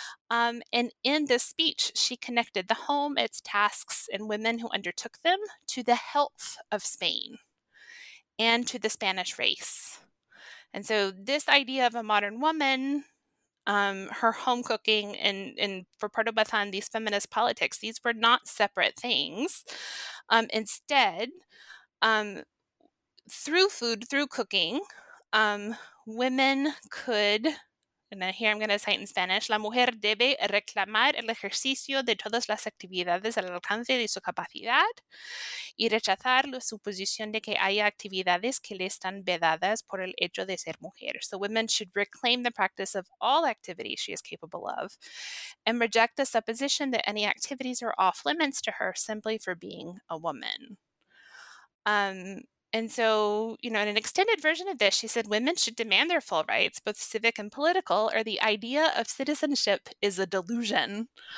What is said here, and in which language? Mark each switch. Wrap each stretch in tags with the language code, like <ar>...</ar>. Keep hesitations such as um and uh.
<en>Um, and in this speech, she connected the home, its tasks, and women who undertook them to the health of Spain and to the Spanish race. And so, this idea of a modern woman, um, her home cooking, and, and for Pardo Bazan, these feminist politics, these were not separate things. Um, instead, um, through food, through cooking, um, women could, and then here I'm going to cite in Spanish,</en> <es>la mujer debe reclamar el ejercicio de todas las actividades al alcance de su capacidad y rechazar la suposición de que haya actividades que le están vedadas por el hecho de ser mujer.</es> <en>So women should reclaim the practice of all activities she is capable of and reject the supposition that any activities are off limits to her simply for being a woman. Um, and so, you know, in an extended version of this, she said women should demand their full rights, both civic and political, or the idea of citizenship is a delusion.</en>